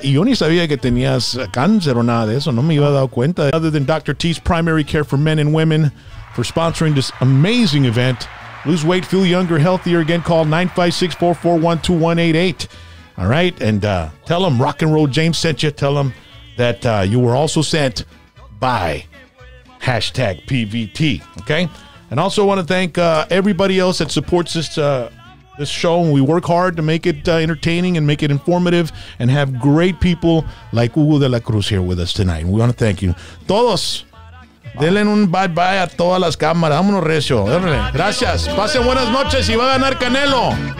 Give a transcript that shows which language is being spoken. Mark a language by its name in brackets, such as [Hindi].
[Spanish] Y yo ni sabía que tenías cáncer o nada de eso. No me iba a dar cuenta. [English] Other than Dr. T's Primary Care for Men and Women, for sponsoring this amazing event. Lose weight, feel younger, healthier. Again, call 956-441-2188. All right? And tell them Rock and Roll James sent you. Tell them that you were also sent by hashtag PVT. Okay? And also want to thank everybody else that supports this this show. We work hard to make it entertaining and make it informative and have great people like Hugo de la Cruz here with us tonight. We want to thank you. Todos. [Spanish] Denle un bye bye a todas las cámaras. Vámonos, recio. Denle. Gracias. Pasen buenas noches y va a ganar Canelo.